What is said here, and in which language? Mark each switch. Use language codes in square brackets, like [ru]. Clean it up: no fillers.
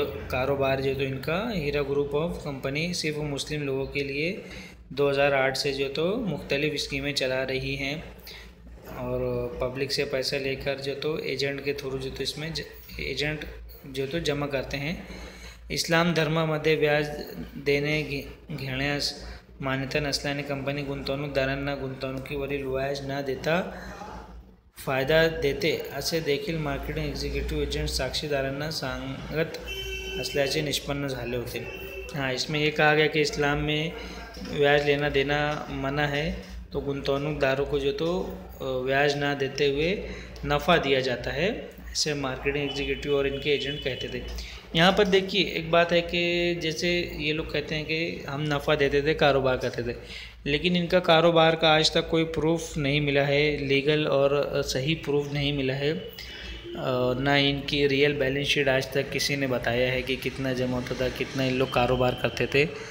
[hi] कारोबार जो तो इनका हीरा ग्रुप ऑफ कंपनी सिर्फ मुस्लिम लोगों के लिए 2008 से जो तो मुख्तलिफ स्कीमें चला रही हैं और पब्लिक से पैसा लेकर जो तो एजेंट के थ्रू जो तो इसमें एजेंट जो तो जमा करते हैं। [mr] इस्लाम धर्म मध्य व्याज देने घेण्यास मान्यता नसल्याने कंपनी गुंतवणूकदारांना गुंतवणुकीवरील व्याज न देता फायदा देते असे देखील मार्केटिंग एक्झिक्युटिव्ह एजंट साक्षीदारांना सांगत असल्याचे निष्पन्न झाले होते। [hi] हाँ, इसमें यह कहा गया कि इस्लाम में व्याज लेना देना मना है, तो गुंतवणूकदारों को जो तो व्याज ना देते हुए नफ़ा दिया जाता है, ऐसे मार्केटिंग एग्जीक्यूटिव और इनके एजेंट कहते थे। यहाँ पर देखिए एक बात है कि जैसे ये लोग कहते हैं कि हम नफ़ा देते थे, कारोबार करते थे, लेकिन इनका कारोबार का आज तक कोई प्रूफ नहीं मिला है, लीगल और सही प्रूफ नहीं मिला है, ना इनकी रियल बैलेंस शीट आज तक किसी ने बताया है कि कितना जमा होता था, कितना इन लोग कारोबार करते थे।